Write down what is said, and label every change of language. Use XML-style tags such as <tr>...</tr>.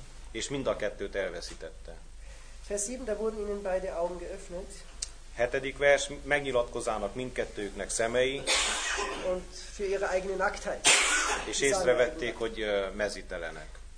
<hu>És mind a kettőt elveszítette.</hu> <de>Vers 7, da wurden ihnen beide Augen geöffnet.</de> <hu>Hetedik vers, megnyilatkozának mindkettőjüknek szemei.</hu> <de>Und für ihre eigene Nacktheit.</de> <hu>És észrevették, hogy mezítelenek.</hu>